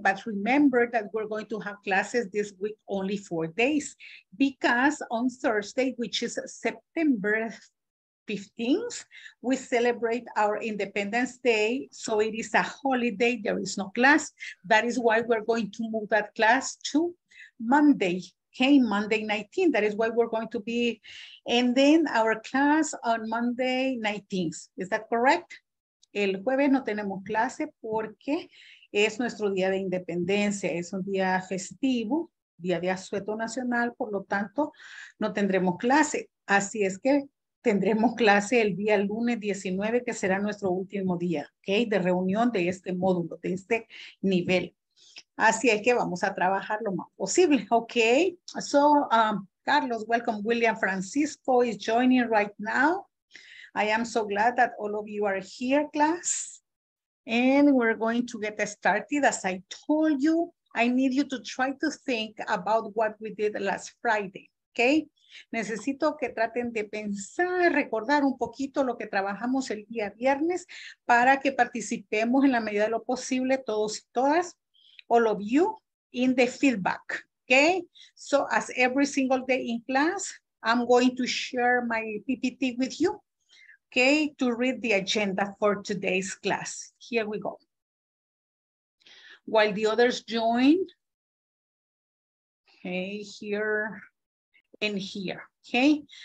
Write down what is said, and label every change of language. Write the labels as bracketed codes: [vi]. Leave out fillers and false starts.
[en] But remember that we're going to have classes this week only 4 days because on Thursday, which is September 15th, we celebrate our Independence Day. So it is a holiday, there is no class. That is why we're going to move that class to Monday. Okay, Monday 19th, that is why we're going to be, and then our class on Monday 19th, is that correct? [es] El jueves no tenemos clase porque es nuestro día de independencia, es un día festivo, día de asueto nacional, por lo tanto, no tendremos clase. Así es que tendremos clase el día lunes 19, que será nuestro último día, okay, de reunión de este módulo, de este nivel. Así es que vamos a trabajar lo más posible. [en] Okay. So, Carlos, welcome. William Francisco is joining right now. I am so glad that all of you are here, class. And we're going to get started. As I told you, I need you to try to think about what we did last Friday. Okay. [es] Necesito que traten de pensar, recordar un poquito lo que trabajamos el día viernes para que participemos en la medida de lo posible todos y todas. [en] All of you in the feedback, okay? So as every single day in class, I'm going to share my PPT with you, okay? To read the agenda for today's class. Here we go. While the others join, okay, here and here, okay?